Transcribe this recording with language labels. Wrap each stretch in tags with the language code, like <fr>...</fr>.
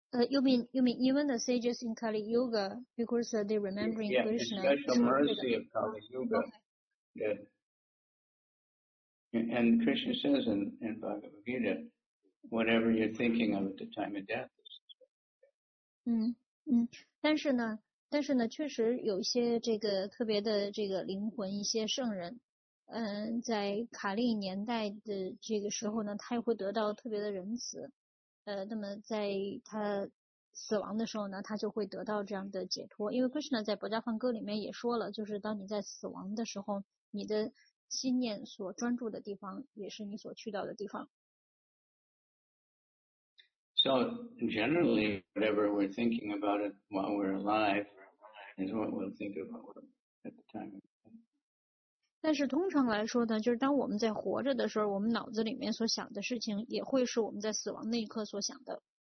<en>You mean even the sages in Kali Yuga, because they're remembering yeah, Krishna. Yeah, the special mercy of Kali Yuga. Okay. Yeah. And Krishna says in Bhagavad Gita, whatever you're thinking of at the time of death. Is...</en> <zh>但是呢，确实有些这个特别的这个灵魂，一些圣人，在卡利年代的这个时候呢，他也会得到特别的仁慈。那么在他死亡的时候呢，他就会得到这样的解脱。因为 Krishna 在《薄伽梵歌》里面也说了，就是当你在死亡的时候，你的心念所专注的地方，也是你所去到的地方。</zh> <en>So generally, whatever we're thinking about it while we're alive is what we'll think about at the time.</en> <zh>但是通常来说呢，就是当我们在活着的时候，我们脑子里面所想的事情，也会是我们在死亡那一刻所想的。</zh>